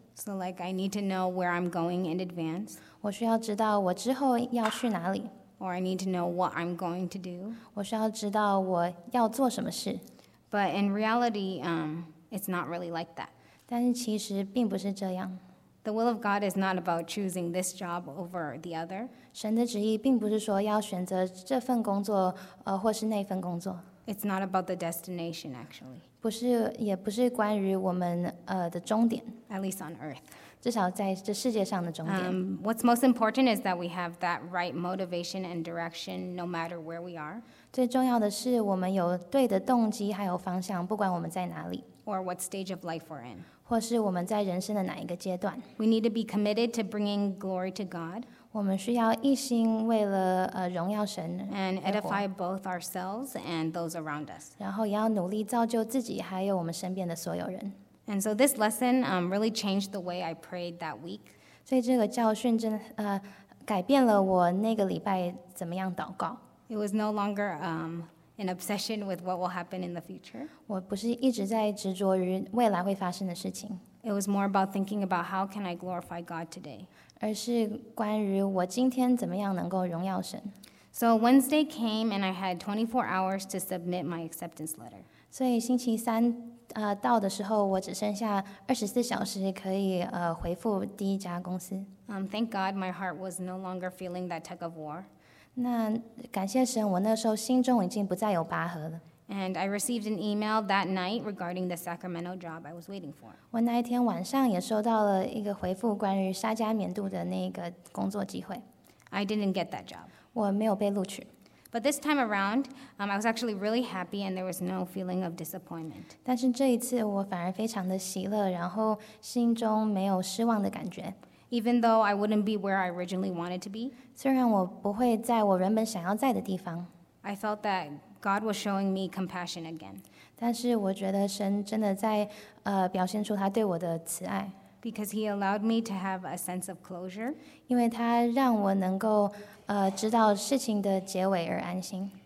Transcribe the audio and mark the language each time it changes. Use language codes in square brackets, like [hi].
[en] So like I need to know where I'm going in advance. [zh] 我需要知道我之后要去哪里。 [en] Or I need to know what I'm going to do. [zh] 我需要知道我要做什么事。 [en] But in reality, it's not really like that. [zh] 但是其实并不是这样。 [en] The will of God is not about choosing this job over the other. [zh] 神的旨意并不是说要选择这份工作，或是那份工作。 [en] It's not about the destination, actually. [zh] 不是，也不是关于我们的终点。 [en] At least on earth. [zh] 至少在这世界上的终点。 [en] What's most important is that we have that right motivation and direction no matter where we are. [zh] 最重要的是我们有对的动机还有方向，不管我们在哪里。 [en] Or what stage of life we're in. [zh] 或是我们在人生的哪一个阶段。 [en] We need to be committed to bringing glory to God. [zh] 我们需要一心为了荣耀神。 [en] And edify both ourselves and those around us. [zh] 然后也要努力造就自己还有我们身边的所有人。 [en] And so this lesson really changed the way I prayed that week. [zh] 所以这个教训真的改变了我那个礼拜怎么样祷告。 [en] It was no longer an obsession with what will happen in the future. [zh] 我不是一直在执着于未来会发生的事情。 [en] It was more about thinking about how can I glorify God today. [zh] 而是关于我今天怎么样能够荣耀神。 [en] So Wednesday came and I had 24 hours to submit my acceptance letter. [zh] 所以星期三到的时候我只剩下24小时可以回复第一家公司。 [en] Thank God my heart was no longer feeling that tug of war. [zh] 那感谢神我那时候心中已经不再有拔河了。 [en] And I received an email that night regarding the Sacramento job I was waiting for. [zh] 我那一天晚上也收到了一个回复关于沙加缅度的那个工作机会。 [en] I didn't get that job. [zh] 我没有被录取。 [en] But this time around, I was actually really happy and there was no feeling of disappointment. [zh] 但是这一次我反而非常的喜乐，然后心中没有失望的感觉。 [en] Even though I wouldn't be where I originally wanted to be, [zh] 虽然我不会在我原本想要在的地方， [en] I felt that God was showing me compassion again. [zh] 但是我觉得神真的在表现出他对我的慈爱。 [en] Because he allowed me to have a sense of closure. [zh] 因为他让我能够知道事情的结尾而安心。